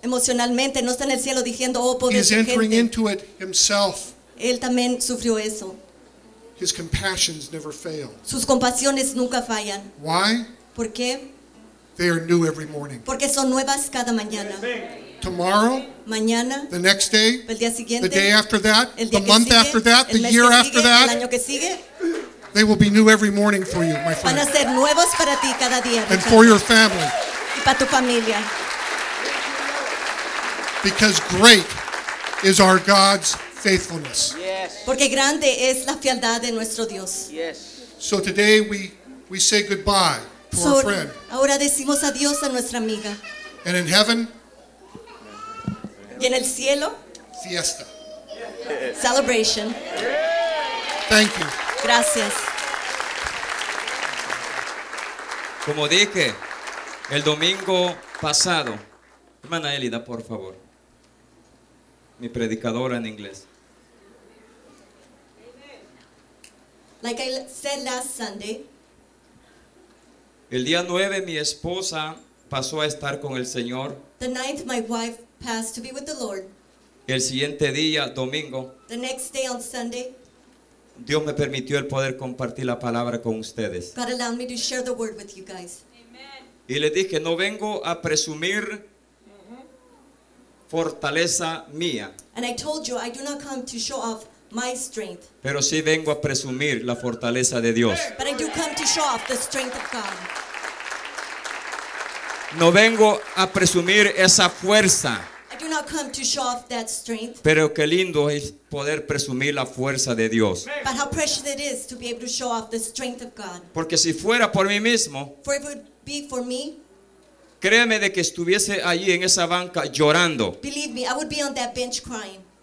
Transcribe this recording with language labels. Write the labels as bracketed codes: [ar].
[es] Emocionalmente no está en el cielo diciendo, "Oh, pobre gente." [en] He's entering into it himself. [es] Él también sufrió eso. [en] His compassions never fail. [es] Sus compasiones nunca fallan. [en] Why? [es] ¿Por qué? [en] They are new every morning. [es] Porque son nuevas cada mañana. [en] Tomorrow, [es] mañana, [en] the next day, [es] el día siguiente, [en] the day after that, [es] el [en] the month [es] sigue, [en] after that, the year [es] sigue, [en] after that, [es] el año que sigue, [en] they will be new every morning for you, my friend. [es] Van a ser nuevos para ti cada día, [en] and for your family. [es] Y para tu familia. [en] Because great is our God's faithfulness. Yes. [es] Porque grande es la fidelidad de nuestro Dios. [en] Yes. So today we say goodbye. [es] Ahora decimos adiós a nuestra amiga. [en] And in heaven, [es] y en el cielo, fiesta, [en] celebration. Thank you. [es] Gracias. Como dije, el domingo pasado, hermana Elida, por favor, mi predicadora en inglés. [en] Like I said last Sunday. [es] El día 9 mi esposa pasó a estar con el Señor. [en] The 9th my wife passed to be with the Lord. [es] El siguiente día, domingo. [en] The next day on Sunday. [es] Dios me permitió el poder compartir la palabra con ustedes. [en] God allowed me to share the word with you guys. [es] Amen. Y le dije, no vengo a presumir fortaleza mía. [en] And I told you I do not come to show off my strength. [es] Pero sí vengo a presumir la fortaleza de Dios. [en] But I do come to show off the strength of God. [es] No vengo a presumir esa fuerza. [en] I do not come to show off that strength. [es] Pero qué lindo es poder presumir la fuerza de Dios. [en] But how precious it is to be able to show off the strength of God. [es] Porque si fuera por mí mismo, [en] for if it would be for me, [es] créeme de que estuviese allí en esa banca llorando. [en] Believe me, I would be on that bench crying.